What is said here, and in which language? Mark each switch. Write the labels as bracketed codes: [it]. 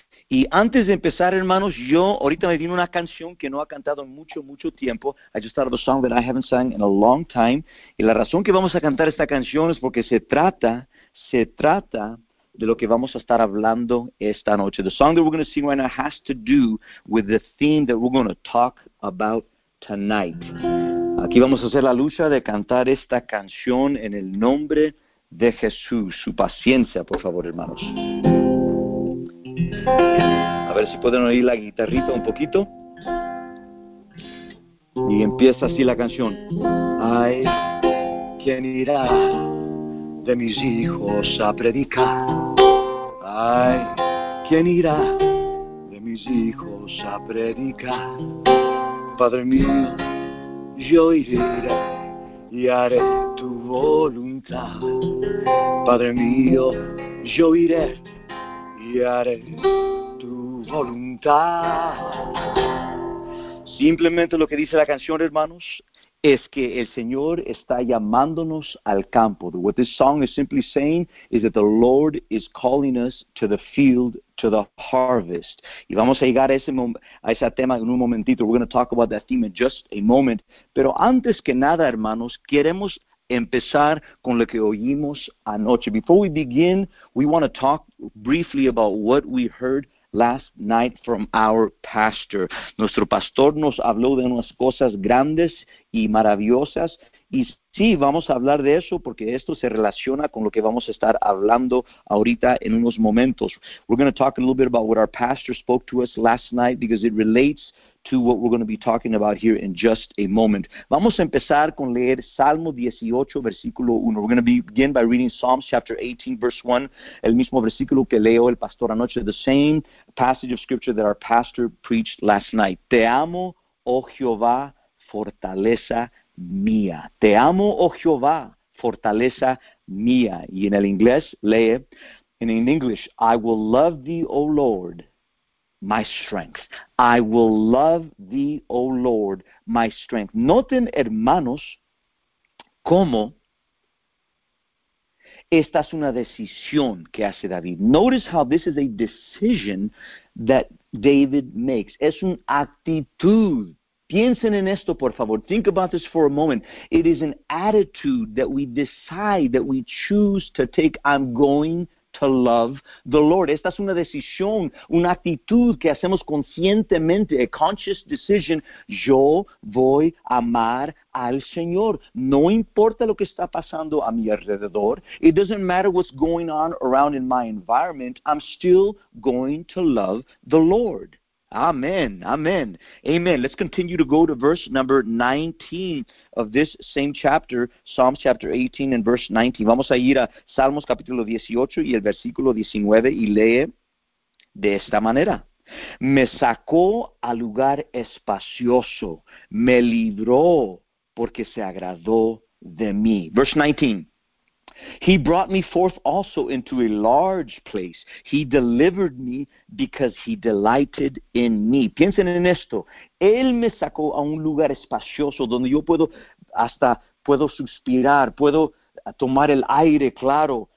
[es] Y antes de empezar, hermanos, yo ahorita me vino una canción que no ha cantado en mucho, mucho tiempo. [en] I just thought of a song that I haven't sung in a long time. [es] Y la razón que vamos a cantar esta canción es porque se trata de lo que vamos a estar hablando esta noche. [en] The song that we're going to sing right now has to do with the theme that we're going to talk about tonight. [es] Aquí vamos a hacer la lucha de cantar esta canción en el nombre de Jesús. Su paciencia, por favor, hermanos. A ver si pueden oír la guitarrita un poquito. Y empieza así la canción. Ay, ¿quién irá de mis hijos a predicar? Ay, ¿quién irá de mis hijos a predicar? Padre mío, yo iré y haré tu voluntad. Padre mío, yo iré y haré tu voluntad. Simplemente lo que dice la canción, hermanos, es que el Señor está llamándonos al campo. [en] What this song is simply saying is that the Lord is calling us to the field, to the harvest. [es] Y vamos a llegar a ese tema en un momentito. [en] We're going to talk about that theme in just a moment. [es] Pero antes que nada, hermanos, queremos empezar con lo que oímos anoche. [en] Before we begin, we want to talk briefly about what we heard last night from our pastor. [es] Nuestro pastor nos habló de unas cosas grandes y maravillosas. Y sí, vamos a hablar de eso porque esto se relaciona con lo que vamos a estar hablando ahorita en unos momentos. [en] We're going to talk a little bit about what our pastor spoke to us last night because it relates to what we're going to be talking about here in just a moment. [es] Vamos a empezar con leer Salmo 18, versículo 1. [en] We're going to begin by reading Psalms chapter 18, verse 1. [es] El mismo versículo que leo el pastor anoche. [en] The same passage of scripture that our pastor preached last night. [es] Te amo, oh Jehová, fortaleza mía. Te amo, oh Jehová, fortaleza mía. Y en el inglés lee, [en] and in English, I will love thee, O Lord, my strength. I will love thee, O Lord, my strength. [es] Noten, hermanos, cómo esta es una decisión que hace David. [en] Notice how this is a decision that David makes. [es] Es una actitud. Piensen en esto, por favor. [en] Think about this for a moment. It is an attitude that we decide, that we choose to take. I'm going to love the Lord. [es] Esta es una decisión, una actitud que hacemos conscientemente, [en] a conscious decision. [es] Yo voy a amar al Señor. No importa lo que está pasando a mi alrededor. [en] It doesn't matter what's going on around in my environment. I'm still going to love the Lord. Amen, amen, amen. Let's continue to go to verse number 19 of this same chapter, Psalms chapter 18 and verse 19. [es] Vamos a ir a Salmos capítulo 18 y el versículo 19 y lee de esta manera. Me sacó al lugar espacioso, me libró porque se agradó de mí. [en] Verse 19. He brought me forth also into a large place. He delivered me because he delighted in me. [es] Piensen en esto. Él me sacó a un lugar espacioso donde yo puedo suspirar, puedo tomar el aire claro.